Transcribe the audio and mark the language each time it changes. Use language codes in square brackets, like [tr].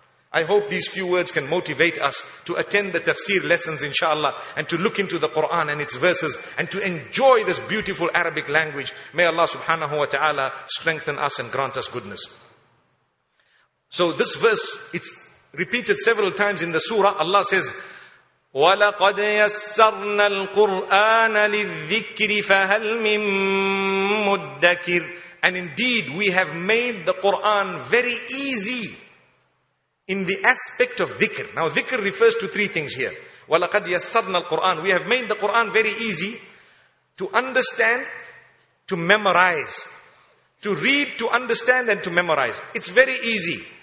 [en] I hope these few words can motivate us to attend the tafsir lessons inshallah and to look into the Quran and its verses and to enjoy this beautiful Arabic language. May Allah subhanahu wa ta'ala strengthen us and grant us goodness. So this verse, it's repeated several times in the surah. Allah says, [ar] وَلَقَدْ يَسَّرْنَا الْقُرْآنَ لِلذِّكْرِ فَهَلْ مِن مُدَّكِرٍ. [en] And indeed, we have made the Quran very easy in the aspect of dhikr. Now dhikr refers to three things here. [ar] وَلَقَدْ يَسَّرْنَا الْقُرْآنَ. [en] We have made the Quran very easy to understand, to memorize, to read, to understand and to memorize. It's very easy.